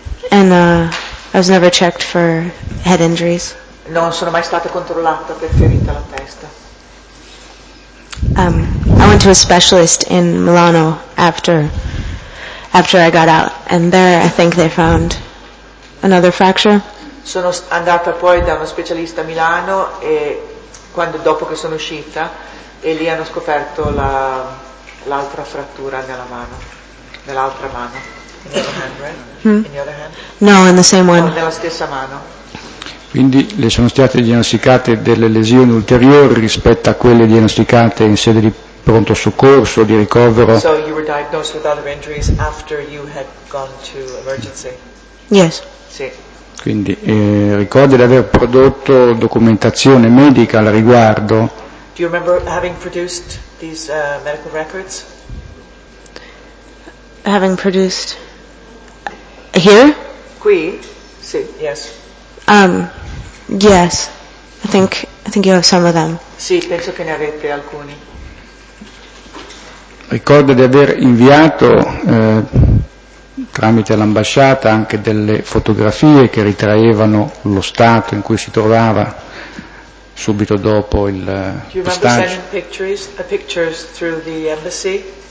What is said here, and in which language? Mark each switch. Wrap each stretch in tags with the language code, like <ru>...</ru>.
<en>And I was never checked for head injuries.</en> <it>Non sono mai stata controllata per ferita alla testa.</it> <en>I went to a specialist in Milano after I got out, and there I think they found another fracture.</en> <it>Sono andata poi da uno specialista a Milano e dopo che sono uscita, e lì hanno scoperto l'altra frattura nella mano, nell'altra mano.</it> <en>In the same one.</en> <it>No, nella stessa mano. Quindi le sono state diagnosticate delle lesioni ulteriori rispetto a quelle diagnosticate in sede di pronto soccorso, di ricovero?</it> <en>So you were diagnosed with other injuries after you had gone to emergency? Yes.</en> <it>Sì. Quindi ricorda di aver prodotto documentazione medica al riguardo?</it> <en>Do you remember having produced these medical records? Having produced here?</en> <it>Qui? Sì, yes.</it> <en>Yes, I think you have some of them.</en> <it>Sì, penso che ne avete alcuni. Ricordo di aver inviato tramite l'ambasciata anche delle fotografie che ritraevano lo stato in cui si trovava subito dopo il pestaggio.</it> <en>Do you remember sending pictures through the embassy?</en>